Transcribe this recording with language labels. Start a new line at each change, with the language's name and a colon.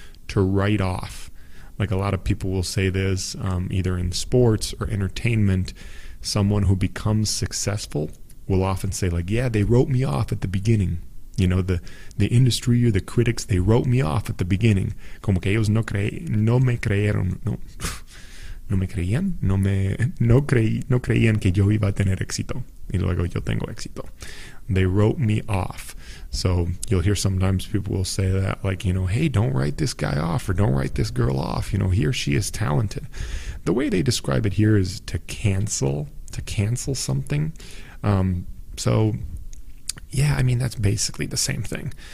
English: To write off. Like a lot of people will say this, either in sports or entertainment, someone who becomes successful will often say like, yeah, they wrote me off at the beginning. You know, the industry or the critics, they wrote me off at the beginning.
Spanish: Como que ellos no creían que yo iba a tener éxito. Y luego yo tengo éxito.
English: They wrote me off. So you'll hear sometimes people will say that, like, you know, hey, don't write this guy off or don't write this girl off. You know, he or she is talented. The way they describe it here is to cancel something. So, yeah, I mean, that's basically the same thing.